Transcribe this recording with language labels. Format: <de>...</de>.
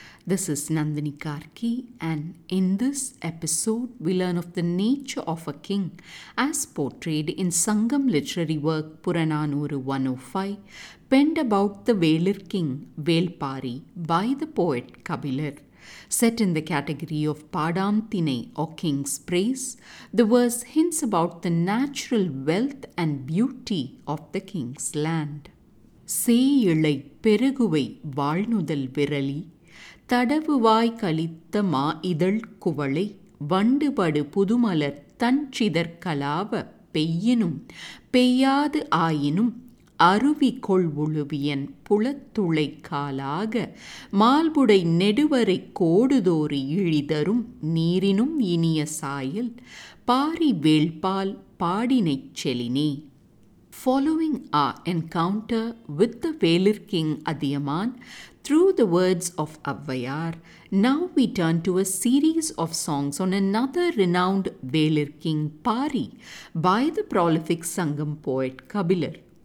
<en>This is Nandini Karki, and in this episode we learn of the nature of a king as portrayed in Sangam literary work Purananuru 105, penned about the Velir king Velpari by the poet Kabilar. Set in the category of Padam Thinai or King's Praise, the verse hints about the natural wealth and beauty of the king's land.</en> <ta>சேயிழை பெருகுவை வாழ்நுதல் விரலி தடவுவாய் கழித்த மா இதழ் குவளை வண்டுபடு புதுமலர் தஞ்சிதற் கலாவ பெய்யினும் பெய்யாது ஆயினும் அருவி கொள்வுழுவியன் புலத்துளை காலாக மால்புடை நெடுவரை கோடுதோறு இழிதரும் நீரினும் இனிய சாயல் Pari வேள்பால் பாடினைச் செலினே.</ta> <en>Following our encounter with the Velir king Adiyaman through the words of Avvayar, now we turn to a series of songs on another renowned Velir king Pari by the prolific Sangam poet Kabilar.</en>